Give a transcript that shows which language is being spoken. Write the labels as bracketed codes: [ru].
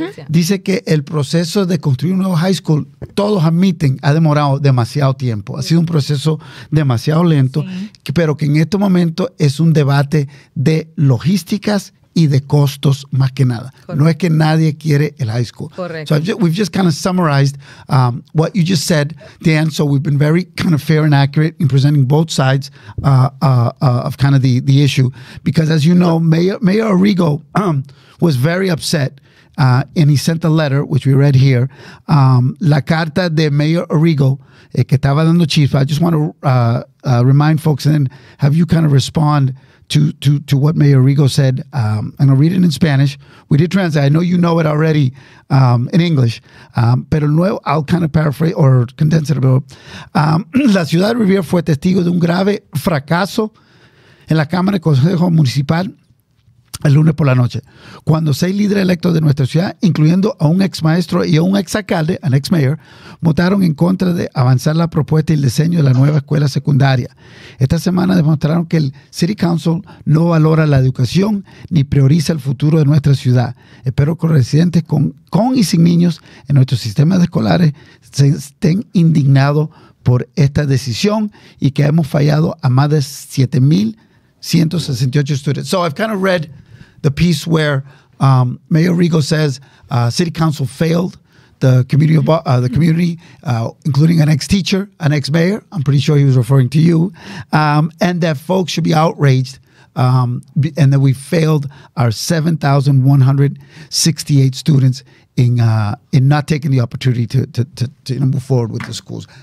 [es] Dice que el proceso de construir un nuevo high school, todos admiten, ha demorado demasiado tiempo. Ha sido un proceso demasiado lento, sí. Pero que en este momento es un debate de logísticas y de costos más que nada. Correcto. No es que nadie quiere el high school. Correcto. [en] So we've just kind of summarized what you just said, Dan. So we've been very kind of fair and accurate in presenting both sides of kind of the issue. Because as you know, Mayor Arrigo was very upset and he sent a letter, which we read here. [es] La carta de Mayor Arrigo, que estaba dando chispa. [en] I just want to remind folks and then have you kind of respond to what Mayor Rigo said. I'm going to read it in Spanish. We did translate. I know you know it already in English. [es] Pero nuevo, [en] I'll kind of paraphrase or condense it a bit. [es] La ciudad de Revere fue testigo de un grave fracaso en la Cámara de Consejo Municipal el lunes por la noche, cuando 6 líderes electos de nuestra ciudad, incluyendo a un ex maestro y a un ex alcalde, [en] an ex mayor, [es] votaron en contra de avanzar la propuesta y el diseño de la nueva escuela secundaria. Esta semana demostraron que el City Council no valora la educación ni prioriza el futuro de nuestra ciudad. Espero que los residentes con y sin niños en nuestros sistemas escolares se estén indignados por esta decisión y que hemos fallado a más de 7,168 students. [en] So I've kind of read the piece where Mayor Arrigo says City Council failed the community, including an ex-teacher, an ex-mayor. I'm pretty sure he was referring to you. And that folks should be outraged and that we failed our 7,168 students in not taking the opportunity to move forward with the schools.